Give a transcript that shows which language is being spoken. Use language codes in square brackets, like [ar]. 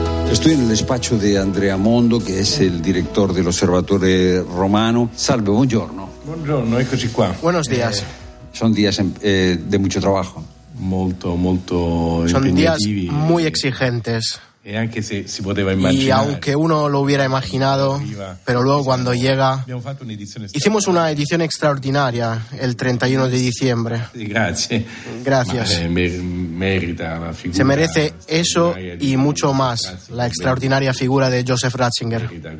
[es] Estoy en el despacho de Andrea Mondo, que es el director del Osservatore Romano. [it] Salve, buongiorno. Buongiorno, eccoci qua. [es] Buenos días. Son días de mucho trabajo. [it] Molto, molto impegnativi. [es] Son días muy exigentes. [it] E anche se si poteva immaginare. [es] Y aunque uno lo hubiera imaginado, pero luego cuando llega. Hicimos una edición extraordinaria el 31 de diciembre. Gracias. [it] Merita la figura. [es] Se merece eso y mucho más, la extraordinaria figura de Joseph Ratzinger.